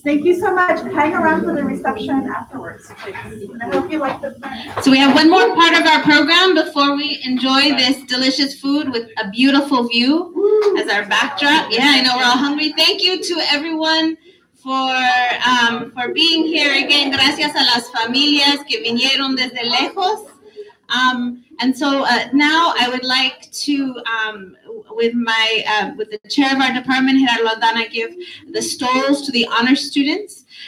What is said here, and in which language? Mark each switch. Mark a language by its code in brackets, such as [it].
[en] Thank you so much. Hang around for the reception afterwards, please. And I hope you like the fun. So we have one more part of our program before we enjoy this delicious food with a beautiful view as our backdrop. Yeah, I know we're all hungry. Thank you to everyone for being here again. [es] Gracias a las familias que vinieron desde lejos. [en] Now I would like to, with the chair of our department, Gerardo Aldana, give the stoles to the honor students.